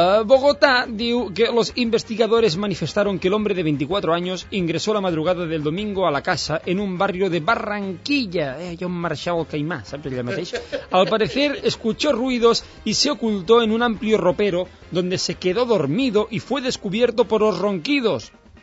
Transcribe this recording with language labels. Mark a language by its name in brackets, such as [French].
[Spanish] Bogotà [Catalan] diu que [Spanish] los investigadores manifestaron que el hombre de 24 años ingresó la madrugada del domingo a la casa en un barrio de Barranquilla. [Catalan] Allò on marxava el Caimà, saps allà mateix? [Spanish] Al parecer, escuchó ruidos y se ocultó en un amplio ropero donde se quedó dormido y fue descubierto por los ronquidos.